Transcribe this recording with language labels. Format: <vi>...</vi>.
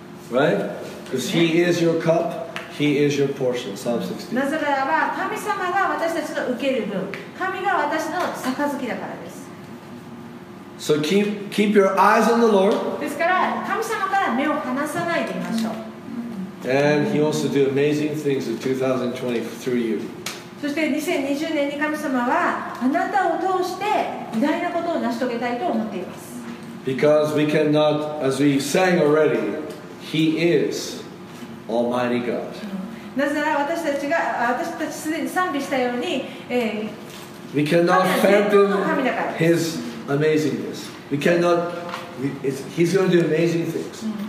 <en>Right? Because He is your cup, He is your portion. Psalm 16.</en> <ja>なぜならば、神様が私たちの受ける分、神が私の杯だからです。</ja> <en>So keep your eyes on the Lord.</en> <ja>ですから、神様から目を離さないでいましょう。</ja> <en>And He wants to do amazing things in 2020 through you.</en> <ja>そして2020年に神様はあなたを通して偉大なことを成し遂げたいと思っています。</ja> <en>Because we cannot, as we sang already, He is Almighty God.</en> <ja>なぜなら私たちすでに賛美したように、</ja> <en>We cannot fathom His amazingness. We cannot, He's going to do amazing things.</en>